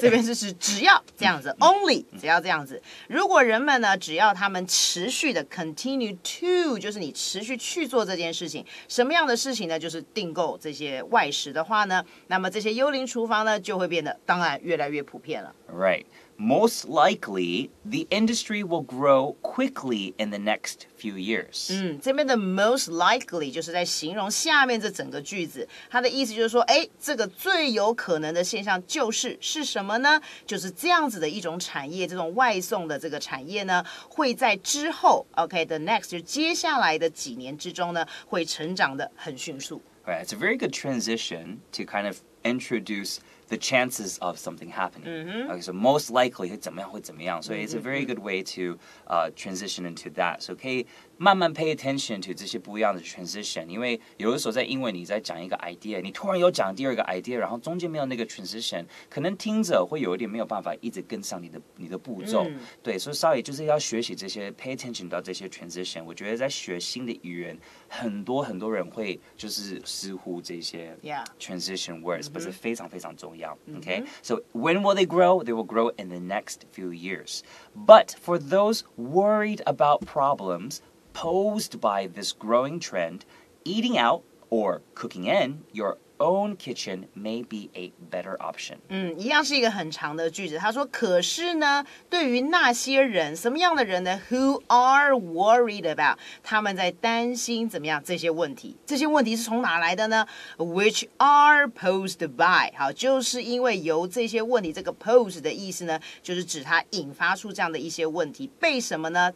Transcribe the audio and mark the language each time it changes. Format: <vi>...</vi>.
<zh>这边就是只要这样子，only 只要这样子。如果人们呢，只要他们持续的 continue to， 就是你持续去做这件事情，什么样的事情呢？就是订购这些外食的话呢，那么这些幽灵厨房呢，就会变得当然越来越普遍了。</zh> <en>Right, most likely the industry will grow quickly in the next few years.</en> <zh>这边的 most likely 就是在形容下面这整个句子。他的意思就是说，哎，这个最有可能的现象就是什么呢？就是这样子的一种产业，这种外送的这个产业呢，会在之后 ，OK， the next 就接下来的几年之中呢，会成长的很迅速。</zh> <en>Right, it's a very good transition to kind of introduce the chances of something happening. Okay, so</en> <zh>most likely 会怎么样？会怎么样？</zh> <en>所以 it's a very good way to transition into that.</en> <zh>So 可以慢慢 pay attention to 这些不一样的 transition， 因为有的时候在英文你在讲一个 idea， 你突然又讲第二个 idea， 然后中间没有那个 transition， 可能听者会有一点没有办法一直跟上你的步骤。对，所以稍微就是要学习这些 pay attention 到这些 transition。我觉得在学新的语言，很多很多人会就是疏忽这些 transition words， 不是非常非常重要。</zh> <en>Okay, so when will they grow? They will grow in the next few years. But for those worried about problems posed by this growing trend, eating out or cooking in your own kitchen may be a better option.</en> <zh>一样是一个很长的句子。他说，可是呢，对于那些人，什么样的人呢？</zh> <en>Who are worried about?</en> <zh>他们在担心怎么样？这些问题，这些问题是从哪来的呢？</zh> <en>Which are posed by?</en> <zh>好，就是因为由这些问题，这个 pose 的意思呢，就是指它引发出这样的一些问题，被什么呢？</zh>